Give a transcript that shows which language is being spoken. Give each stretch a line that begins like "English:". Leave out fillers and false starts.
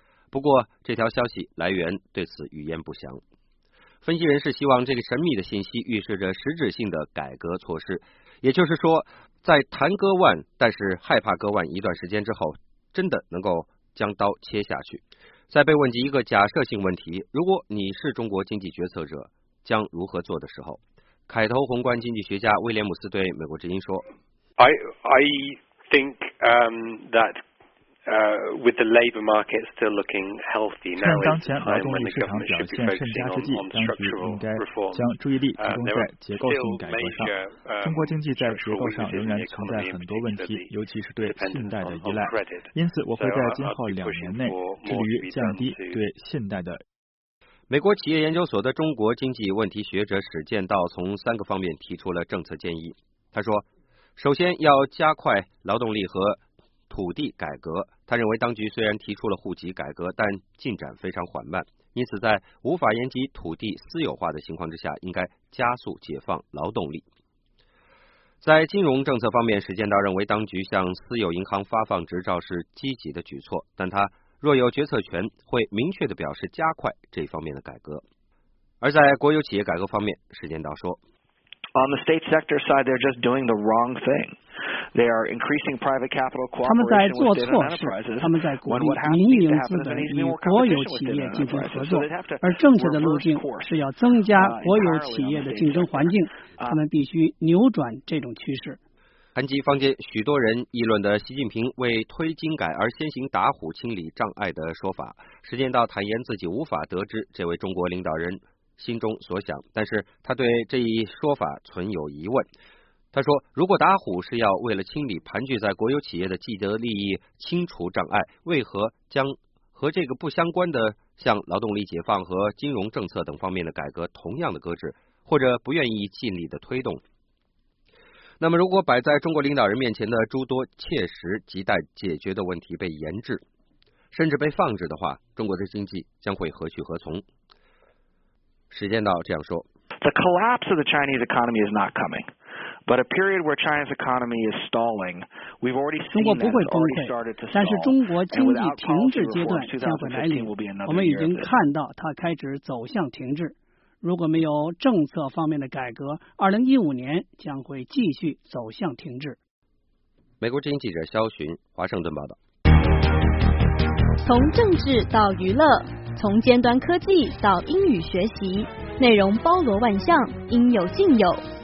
Chinese: 不过这条消息来源对此语焉不详。分析人士希望这个神秘的信息预示着实质性的改革措施，也就是说在谈割腕但是害怕割腕一段时间之后，真的能够将刀切下去。在被问及一个假设性问题，如果你是中国经济决策者将如何做的时候，凯投宏观经济学家威廉姆斯对美国之音说，
English: I think that with the labor market still looking healthy now,
Chinese: 趁当前劳动力市场表现甚佳之际，当局应该将注意力集中在结构性改革上。中国经济在结构上仍然存在很多问题，尤其是对信贷的依赖。因此，我会在今后两年内致力于降低对信贷的。美国企业研究所的中国经济问题学者史建道从三个方面提出了政策建议。他说，首先要加快劳动力和土地改革。他认为当局虽然提出了户籍改革，但进展非常缓慢，因此在无法延及土地私有化的情况之下，应该加速解放劳动力。在金融政策方面，史建道认为当局向私有银行发放执照是积极的举措，但他若有决策权会明确地表示加快这方面的改革。而在国有企业改革方面，史建道说，
English: On the state sector side, they're just doing the wrong thing. They are increasing private capital cooperation with state enterprises.
Chinese: 他们在做错事，他们在鼓励民营资本与国有企业进行合作，而正确的路径是要增加国有企业的竞争环境，他们必须扭转这种趋势。谈及坊间许多人议论的习近平为推经改而先行打虎清理障碍的说法，实践道坦言自己无法得知这位中国领导人心中所想，但是他对这一说法存有疑问。他说，如果打虎是要为了清理盘踞在国有企业的既得利益清除障碍，为何将和这个不相关的像劳动力解放和金融政策等方面的改革同样的搁置，或者不愿意尽力的推动？那么如果摆在中国领导人面前的诸多切实亟待解决的问题被延滞甚至被放置的话，中国的经济将会何去何从？时间到这样说，
English: The collapse of the Chinese economy is not comingBut a period where China's economy is stalling, we've already seen that it's already started to stall. And without constant reforms, 2015 will be another year.
Chinese: 我们已经看到它开始走向停滞。如果没有政策方面的改革，2015年将会继续走向停滞。美国之音记者肖寻，华盛顿报道。从政治到娱乐，从尖端科技到英语学习，内容包罗万象，应有尽有。